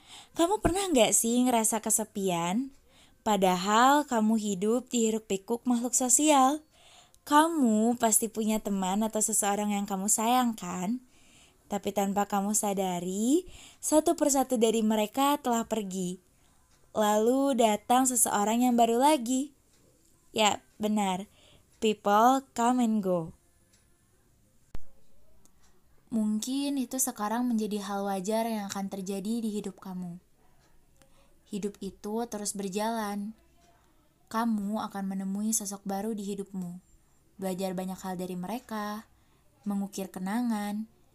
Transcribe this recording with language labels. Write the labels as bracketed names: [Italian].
[Indonesian] Kamu pernah gak sih ngerasa kesepian? Padahal kamu hidup di hiruk pikuk makhluk sosial. Kamu pasti punya teman atau seseorang yang kamu sayang kan? Tapi tanpa kamu sadari, satu persatu dari mereka telah pergi. Lalu datang seseorang yang baru lagi. Ya, benar, [English] people come and go. [Indonesian] Mungkin itu sekarang menjadi hal wajar yang akan terjadi di hidup kamu. Hidup itu terus berjalan. Kamu akan menemui sosok baru di hidupmu. Belajar banyak hal dari mereka. Mengukir kenangan.